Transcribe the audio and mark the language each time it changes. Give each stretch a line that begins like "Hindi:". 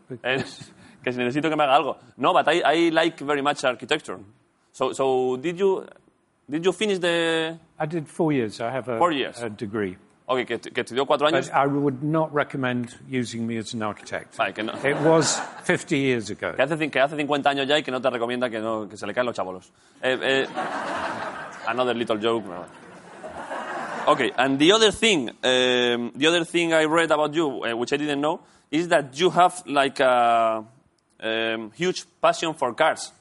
Spanish: Que si necesito que me haga algo. No,
English: but I like very much architecture. So did you finish the... I did 4 years. I have a degree.
Spanish: Okay, que estudió 4 años.
English: But I would not recommend using me as an architect.
Spanish: Vale, que no.
English: It was 50 years ago.
Spanish: Que hace 50 años ya y que no te recomienda que se le caen los chabolos.
English: Another little joke. Okay, and the other thing I read about you, which I didn't know, is that you have like a huge passion for cars.